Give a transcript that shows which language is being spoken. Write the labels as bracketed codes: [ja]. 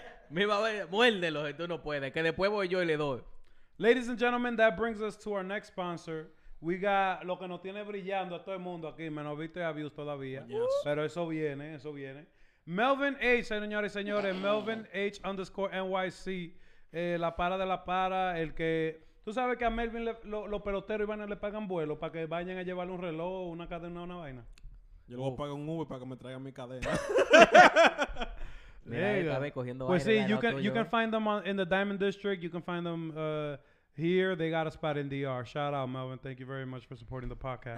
[es] Mi mamá, muérdelo si tú no puedes, que después voy yo y le doy. [en] Ladies and gentlemen, that brings us to our next sponsor. We got [es] lo que nos tiene brillando a todo el mundo aquí, menos visto y abuse todavía. [en] Yes. [es] Pero eso viene. Melvin H, señores y señores. [en] Yeah. [es] Melvin H _ NYC. La para de la para. El que, tú sabes que a Melvin los peloteros iban y le pagan vuelo para que vayan a llevarle un reloj, una cadena o una vaina. Yo luego pago un Uber para que me traigan mi cadena. Mira, yeah, está recogiendo. Pues sí, [en] you can find them in the Diamond District. You can find them here. They got a spot in DR. Shout out, Melvin. Thank you very much for supporting the podcast.